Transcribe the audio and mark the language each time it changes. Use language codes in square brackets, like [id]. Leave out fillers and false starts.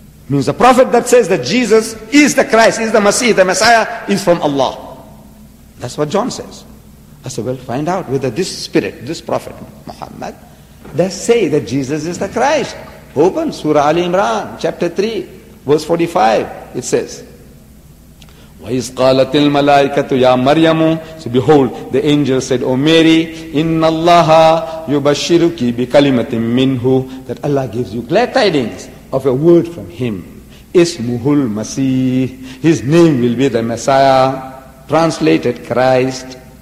[en] Means the prophet that says that Jesus is the Christ, is the Messiah, the Messiah, is from Allah. That's what John says. I said, well, find out whether this spirit, this prophet, Muhammad, does say that Jesus is the Christ. Open Surah Ali Imran, chapter 3, verse 45. It says, [ar] وَإِذْ قَالَتِ الْمَلَائِكَةُ يَا مَرْيَمُ. [en] So behold, the angel said, O Mary, [ar] إِنَّ اللَّهَ يُبَشِّرُكِ بِكَلِمَةٍ مِّنْهُ. [en] That Allah gives you glad tidings of a word from him. Ismuhul Masih, his name will be the Messiah, translated Christ.